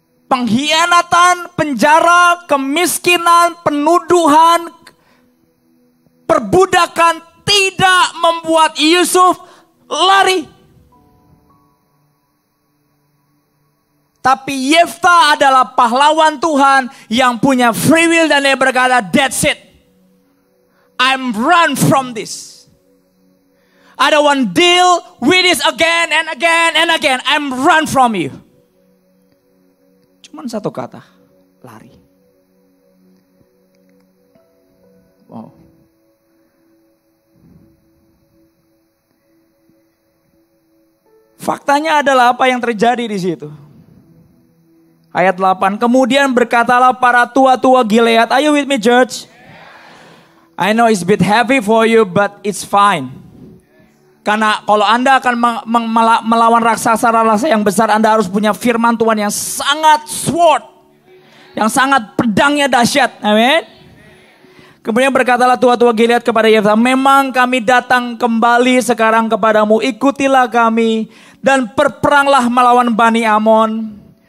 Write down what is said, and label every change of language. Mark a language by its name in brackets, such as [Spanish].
[Indonesian] Pengkhianatan, penjara, kemiskinan, penuduhan, perbudakan tidak membuat Yusuf lari. Tapi Yefta adalah pahlawan Tuhan yang punya free will dan dia berkata, [English] that's it. I'm run from this. I don't want deal with this again and again and again. I'm run from you. [Indonesian] Cuman satu kata, lari. Wow. Faktanya adalah apa yang terjadi di situ? Ayat 8, kemudian berkatalah para tua-tua Gilead, [English] are you with me church? I know it's a bit heavy for you, but it's fine. [Indonesian] Karena kalau Anda akan melawan raksasa-raksasa yang besar, Anda harus punya firman Tuhan yang sangat sword. Yang sangat pedangnya dahsyat. Amin. Kemudian berkatalah tua-tua Gilead kepada Yefta, memang kami datang kembali sekarang kepadamu, ikutilah kami dan perperanglah melawan Bani Amon.